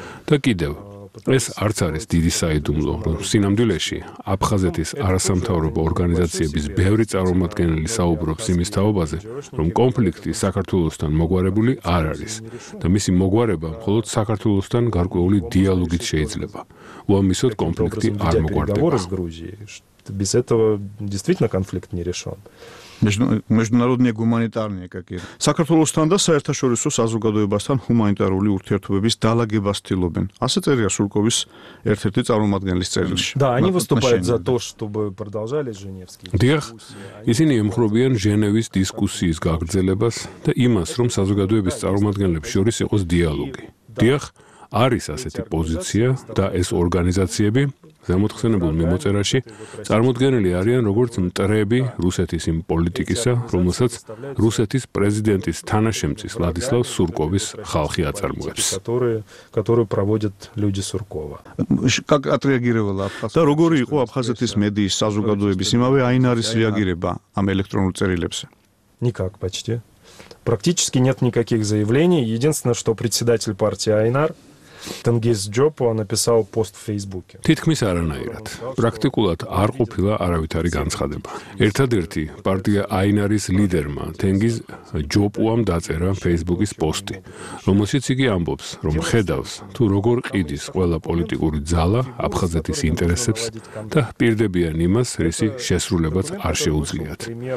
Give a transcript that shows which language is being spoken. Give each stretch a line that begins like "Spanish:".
Georgian: და კიდევ, ეს არც არის დიდი საიდუმლო, რომ სინამდვილეში აფხაზეთის არასამთავრობო ორგანიზაციების ბევრი წარმომადგენელი საუბრობს იმის თაობაზე, რომ კონფლიქტი საქართველოსთან მოგვარებული არ არის და მისი მოგვარება მხოლოდ საქართველოსთან გარკვეული დიალოგით შეიძლება. უამისოდ კონფლიქტი არ მოგვარდება.
Russian: Без этого действительно конфликт не решён. Международные гуманитарные какие-то.
Georgian: Საქართველოსთან და საერთაშორისო საზოგადოებასთან ჰუმანიტარული ურთიერთობების დალაგებას ცდილობენ. ასე წერია სურკოვის ერთ-ერთი წარმომადგენლის წერილში.
Russian: Да, они выступают за то, чтобы продолжались женевские дискуссии.
Georgian: Ისინი ემხრობიან ჟენევის დისკუსიის გაგრძელებას და იმას, რომ საზოგადოების წარმომადგენლებს შორის იყოს დიალოგი. Да, არის ასეთი პოზიცია და ეს ორგანიზაციები ზემოთხსენებულ მიმოწერაში წარმოდგენილი არიან როგორც მტრები რუსეთის იმ პოლიტიკისა, რომელსაც რუსეთის პრეზიდენტის თანაშემწის ვლადისლავ სურკოვის ხალხი აწარმოებს.
Russian: Которые проводят люди Суркова. Как отреагировала Абхазия?
Georgian: Да როგორი იყო აფხაზეთის მედიის საზოგადოების იმავე აინ არის რეაგირება ამ ელექტრონულ წერილებზე?
Russian: Никак почти. Практически нет никаких заявлений. Единственное, что председатель партии Айнар Тенгиз Джопо написал пост в Фейсбуке.
Georgian: Титкмис аранаират. Практикулат არ ყოფილა არავითარი განცხადება. ერთადერთი პარტია აინარის ლიდერმა თენგიზ ჯოპუამ დაწერა Facebook-ის პოსტი, რომელშიც იგი ამბობს, რომ ხედავს, თუ როგორ ყიდის ყველა პოლიტიკური ძალა აფხაზეთის ინტერესებს და პირდებიან იმას, რისი შესრულებაც არ შეუძლიათ.